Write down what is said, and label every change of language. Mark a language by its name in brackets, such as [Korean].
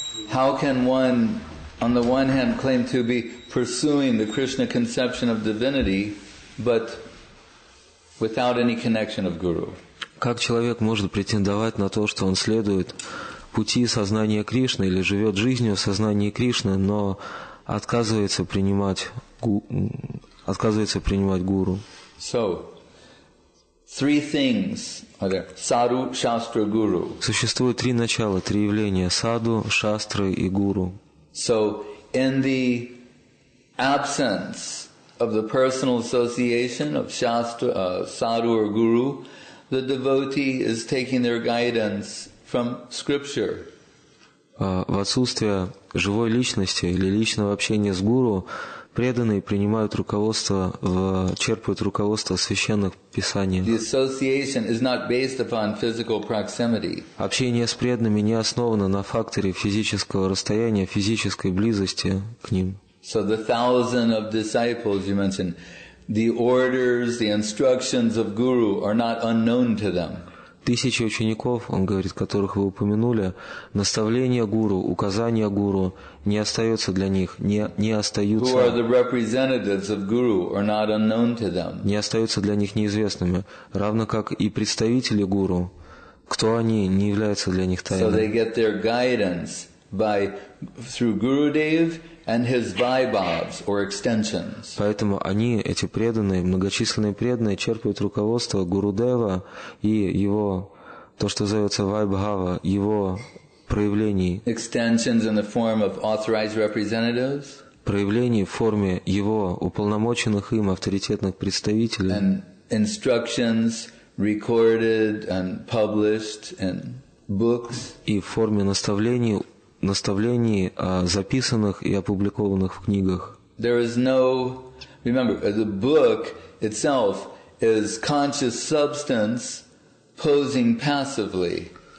[English] How can one, on the one hand, claim to be pursuing the Krishna conception of divinity, but without any connection of Guru? [Russian] Как человек может претендовать на то, что он следует пути сознания Кришны или живет жизнью в сознании Кришны, но отказывается принимать гуру? [English] So, three things are there. Sadhu, Shastra, Guru. [Russian] Существует три начала, три явления: Саду, Шастры и Гуру. [English] So, in the absence of the personal association of Shastra, Sadhu or Guru, the devotee is taking their guidance from scripture. [Russian] В отсутствие живой личности или личного общения с Гуру, преданные принимают руководство, черпают руководство священных писаний. [English] The association is not based upon physical proximity. [Russian] Общение с преданными не основано на факторе физического расстояния, физической близости к ним. [English] So the thousand of disciples you mentioned, the orders, the instructions of Guru are not unknown to them. [Russian] Тысячи учеников, он говорит, которых вы упомянули, наставления Гуру, указания Гуру не остаются для них, не остаются. [English] Who are the representatives of Guru are not unknown to them. [Russian] Не остаются для них неизвестными, равно как и представители Гуру, кто они, не являются для них тайной. [English] So they get their guidance by through Gurudev and his vaibhavs or extensions. [Russian] Поэтому они, эти преданные, многочисленные преданные, черпают руководство Гурудева и его, то, что называется вайбхава, его проявлений. [English] Extensions in the form of authorized representatives. [Russian] Проявлений в форме его уполномоченных им авторитетных представителей. [English] And instructions recorded and published in books. [Russian] И в форме наставлений. Наставлений, записанных и опубликованных в книгах. [English] There is no, remember, the book itself is conscious substance posing passively.